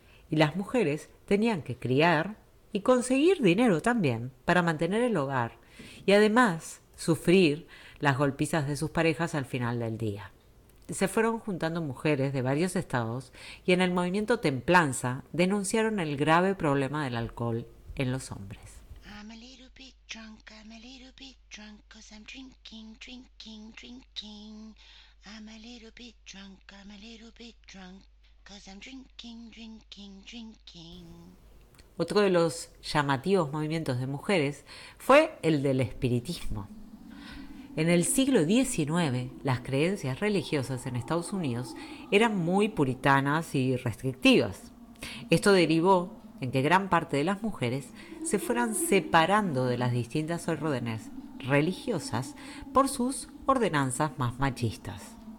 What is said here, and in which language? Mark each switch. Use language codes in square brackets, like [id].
[es] Y las mujeres tenían que criar y conseguir dinero también para mantener el hogar y además sufrir las golpizas de sus parejas al final del día. Se fueron juntando mujeres de varios estados y en el movimiento Templanza denunciaron el grave problema del alcohol en los hombres. [en] I'm a little bit drunk, I'm a little bit drunk, 'cause I'm drinking, drinking, drinking. I'm a little bit drunk, I'm a little bit drunk, 'cause I'm drinking, drinking, drinking. [es] Otro de los llamativos movimientos de mujeres fue el del espiritismo. En el siglo XIX, las creencias religiosas en Estados Unidos eran muy puritanas y restrictivas. Esto derivó en que gran parte de las mujeres se fueran separando de las distintas órdenes religiosas por sus ordenanzas más machistas.